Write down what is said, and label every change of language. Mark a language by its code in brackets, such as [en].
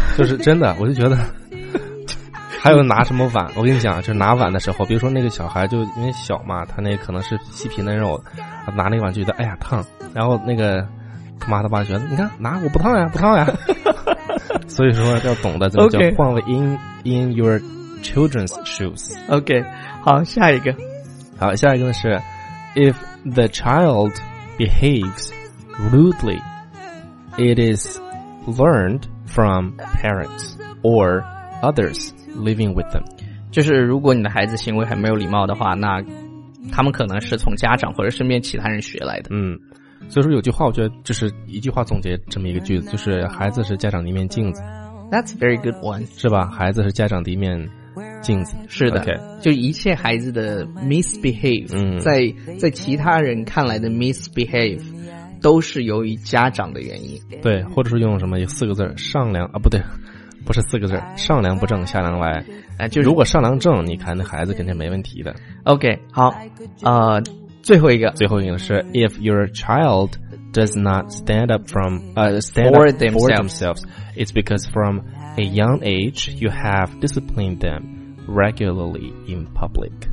[zh] 就是真的我就觉得还有拿什么碗，我跟你讲，就是拿碗的时候，比如说那个小孩就因为小嘛，他那可能是细皮嫩肉，拿那个碗就觉得哎呀烫，然后那个他妈的爸觉得你看拿我不烫呀不烫呀所以说要懂得怎么叫换位 [en] in your children's shoes. [zh] OK, 好，下一个。好，下一个是 [en] If the child behaves rudely, it is learned from parents or others living with them. [zh] 就是如果你的孩子行为很没有礼貌的话，那他们可能是从家长或者身边其他人学来的。嗯，所以说有句话我觉得就是一句话总结这么一个句子，就是孩子是家长的一面镜子。 [en] That's a very good one. [zh] 是吧，孩子是家长的一面镜子。是的、 [en] okay. [zh] 就一切孩子的 misbehave、在其他人看来的 misbehave 都是由于家长的原因。对，或者是用什么有四个字上梁啊，不对，不是四个字，上梁不正下梁歪、就是、如果上梁正，你看那孩子肯定没问题的。 OK, 好，最后一个 [en] 是 If your child does not stand up from for themselves, it's because from a young age you have disciplined them regularly in public.